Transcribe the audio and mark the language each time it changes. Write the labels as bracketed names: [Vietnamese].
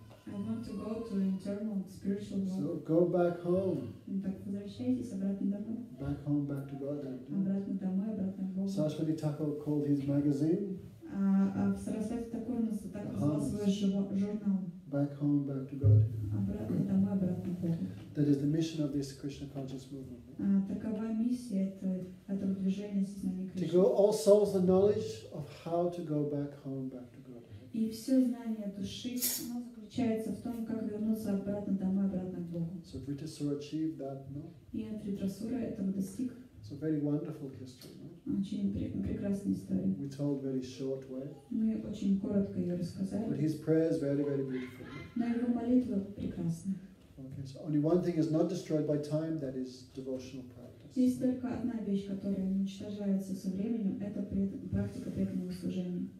[English] I want to go to internal spiritual world. So go back home. [Russian] Так возвращайтесь обратно домой. [English] Back home, back to God. [Russian] Обратно домой, обратно в Бога. [English] Сарасвати Такур called his magazine. [Russian] Сарасвати Такур назвал свой журнал. [English] Back home, back to God. [Russian] Обратно домой, обратно в Бога. [English] That is the mission of this Krishna conscious movement. [Russian] Такова миссия этого движения сознания Кришны. [English] To go all souls the knowledge of how to go back home, back to God. [Russian] И все знание души. В том, как вернуться обратно домой, обратно к Богу. [English] So Vritasura achieved that, no? [Russian] И Vritasura этого достиг. [English] It's a very wonderful history, no? [Russian] Очень прекрасная история. [English] We told very short way. [Russian] Мы очень коротко ее рассказали. [English] But his prayer is very, very beautiful. [Russian] Но его молитва прекрасна. [English] Okay, so only one thing is not destroyed by time, that is devotional practice. [Russian] Есть только одна вещь, которая не уничтожается со временем, это практика преданного служения.